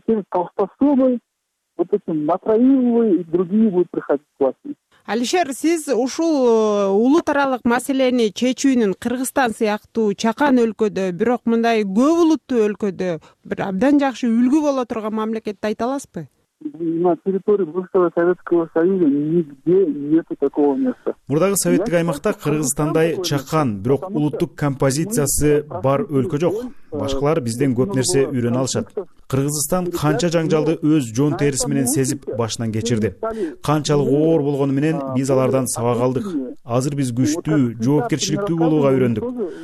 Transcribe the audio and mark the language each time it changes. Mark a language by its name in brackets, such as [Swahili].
[Russian] Вот эти Матраимовы и другие будут приходить к власти. [Kyrgyz] Алишер, сиз ушул улут аралык маселени чечүүнүн Кыргызстан сыяктуу чакан өлкөдө, бирок мындай көп улуттуу өлкөдө бир абдан жакшы үлгү боло турган мамлекетти айта аласызбы? [Russian] На территории бывшего Советского Союза нигде нету такого места. [Kyrgyz] Мурдагы советтик аймакта Кыргызстандай чакан, бирок улуттук композициясы бар өлкө жок. Башкалар бизден көп нерсе үйрөнө алышат. Кыргызстан канча жаңжалды өз жон териси менен сезип башынан кечирди. Канчалык оор болгону менен биз алардан сабак алдык. Азыр биз күчтүү, жоопкерчиликтүү болууга үйрөндүк.